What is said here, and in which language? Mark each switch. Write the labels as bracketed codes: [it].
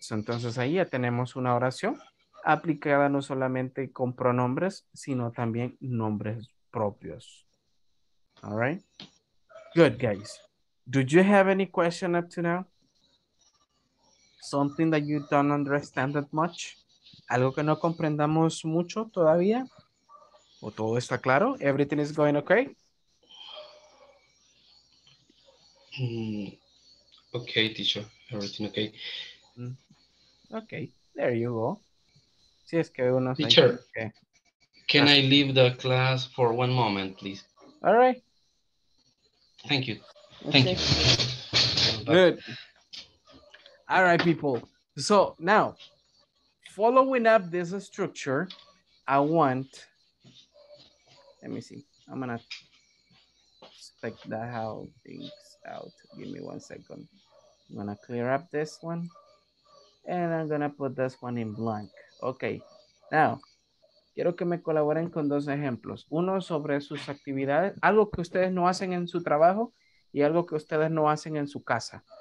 [es] So, entonces ahí ya tenemos una oración aplicada no solamente con pronombres, sino también nombres propios. [en] All right? Good, guys. Do you have any question up to now? Something that you don't understand that much? [es] Algo que no comprendamos mucho todavía? ¿O todo está claro? [en] Everything is going okay? Okay, teacher. Everything okay. Okay, there you go. [es] Si es que uno teacher, que... [en] can I leave the class for one moment, please? All right. Thank you. Thank you. Good. All right, people. So now, following up this structure, I want, let me see. I'm going to check that how things out. Give me 1 second. I'm going to clear up this one. And I'm going to put this one in blank. [es] Okay. Now, quiero que me colaboren con 2 ejemplos. Uno sobre sus actividades, algo que ustedes no hacen en su trabajo y algo que ustedes no hacen en su casa.